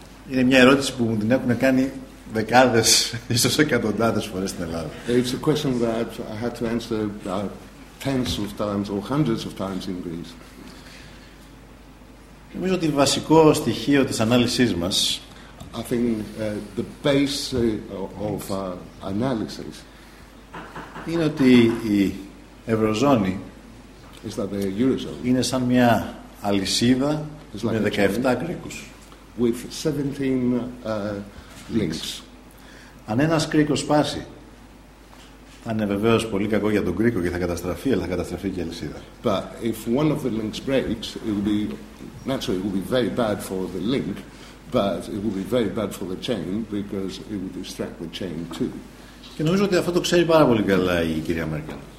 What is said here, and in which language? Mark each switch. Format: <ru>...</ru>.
<el>Είναι μια ερώτηση που μου την έχουν κάνει δεκάδες, ίσως εκατοντάδες φορές στην Ελλάδα.</el> <en>It's a question that I had to answer tens of times or hundreds of times in Greece.</en> <el>Νομίζω ότι βασικό στοιχείο της ανάλυσής μας,</el> <en>I think the base of analysis,</en> <el>είναι ότι η Ευρωζώνη</el> <en>is that the Eurozone</en> <el>είναι σαν μια αλυσίδα με 17 κρίκους.</el> <en>With 17 links.</en> <el>Αν ένας κρίκος σπάσει, θα είναι βεβαίως πολύ κακό για τον κρίκο και θα καταστραφεί, αλλά θα καταστραφεί και η αλυσίδα.</el> <en>But if one of the links breaks, it will be naturally it will be very bad for the link, but it will be very bad for the chain because it will distract the chain too.</en> <el>Και νομίζω ότι αυτό το ξέρει πάρα πολύ καλά η κυρία Μέρκελ.</el>